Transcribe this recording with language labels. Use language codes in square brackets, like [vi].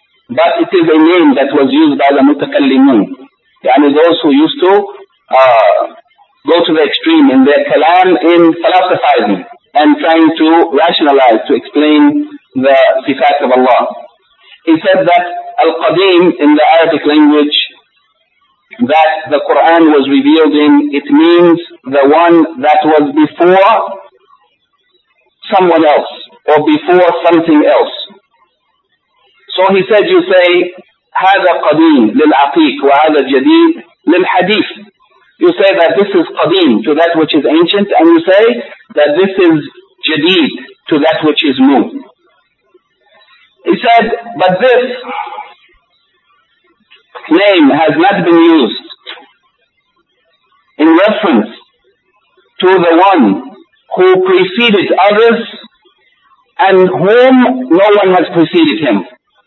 [en] But it is a name that was used by the mutakallimun. Yani those who used to go to the extreme in their kalam in philosophizing and trying to rationalize, to explain the sifat of Allah. He said that al-qadeem in the Arabic language that the Qur'an was revealed in, it means the one that was before someone else, or before something else. So he said, you say, [ar] هذا قديم للعقيق وهذا جديد للحديث. [en] You say that this is قديم to that which is ancient, and you say that this is جديد to that which is new. He said, but this name has not been used in reference to the one who preceded others and whom no one has preceded him.